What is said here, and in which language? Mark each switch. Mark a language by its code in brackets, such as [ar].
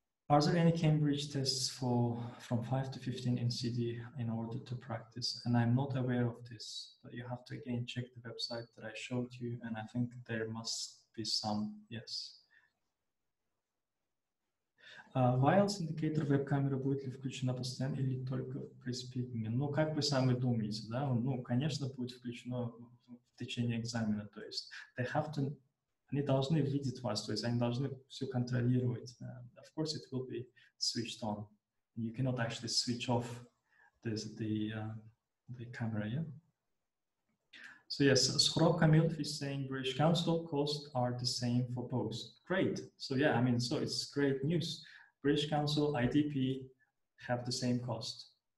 [en] Are there any Cambridge tests from 5 to 15 in CD in order to practice? And I'm not aware of this, but you have to again check the website that I showed you, and I think there must be some, yes. [ru] IELTS индикатор веб-камера будет ли включена постоянно или только при спикинге? Ну, как вы сами думаете, да? Ну, конечно, будет включено в течение экзамена. То есть, они должны видеть вас, то есть, они должны все контролировать. [en] Of course, it will be switched on. You cannot actually switch off the camera, yeah? So, yes, Skhrob Kamilov is saying British Council costs are the same for both. Great. So, yeah, I mean, so it's great news. British Council, IDP have the same cost.